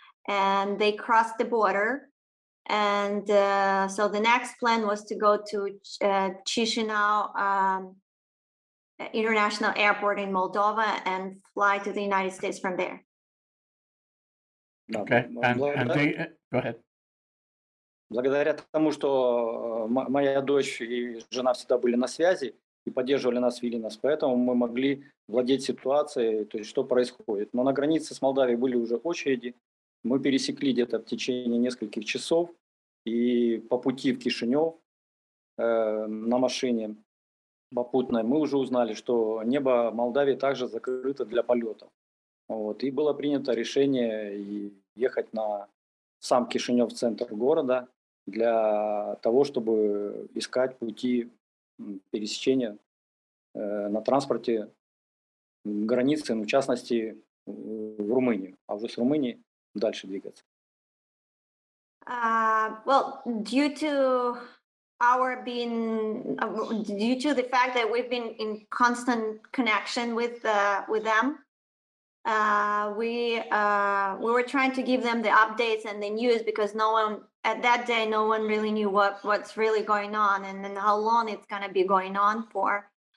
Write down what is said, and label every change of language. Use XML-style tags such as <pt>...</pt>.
<en>And they crossed the border. And so the next plan was to go to Chisinau International Airport in Moldova and fly to the United States from there. Okay, and they, go ahead.</en> <ru>Благодаря тому, что моя дочь и жена всегда были на связи и поддерживали нас, вели нас, поэтому мы могли владеть ситуацией, то есть что происходит. Но на границе с Молдавией были уже очереди. Мы пересекли где-то в течение нескольких часов и по пути в Кишинев на машине попутной мы уже узнали, что небо Молдавии также закрыто для полетов. Вот. И было принято решение ехать на сам Кишинев, центр города, для того, чтобы искать пути пересечения на транспорте границы, в частности, в Румынию, а уже с Румынии дальше двигаться.</ru> <en>Well, due to our being, due to the fact that we've been in constant connection with them, we were trying to give them the updates and the news because no one at that day, no one really knew what's really going on and then how long it's going to be going on for.</en>